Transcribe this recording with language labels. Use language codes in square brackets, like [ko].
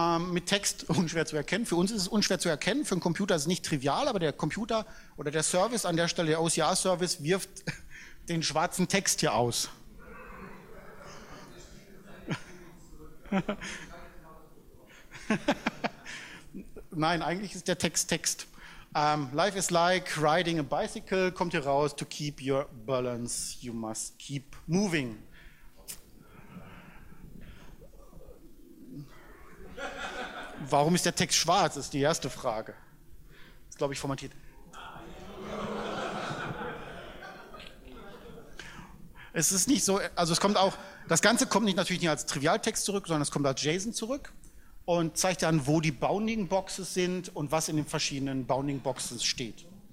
[de] Mit Text unschwer zu erkennen. Für uns ist es unschwer zu erkennen. Für einen Computer ist es nicht trivial, aber der Computer oder der Service an der Stelle, der OCR-Service, wirft den schwarzen Text hier aus. Nein, eigentlich ist der Text Text. [en] Life is like riding a bicycle. [de] Kommt hier raus. [en] To keep your balance, you must keep moving. [de] Warum ist der Text schwarz, ist die erste Frage. Ist, glaube ich, formatiert. Es ist nicht so, also es kommt auch, das Ganze kommt nicht natürlich nicht als Trivialtext zurück, sondern es kommt als JSON zurück und zeigt dann, wo die Bounding Boxes sind und was in den verschiedenen Bounding Boxes steht.